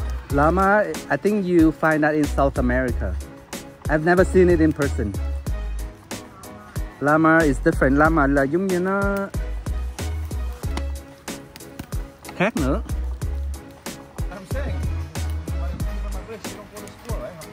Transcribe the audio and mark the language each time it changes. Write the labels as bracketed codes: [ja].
[en] Llama, I think you find that in South America. I've never seen it in person. Llama is different. [vi] Llama là giống như nó khác nữa. [en] I'm saying, my English, you don't go to school, right?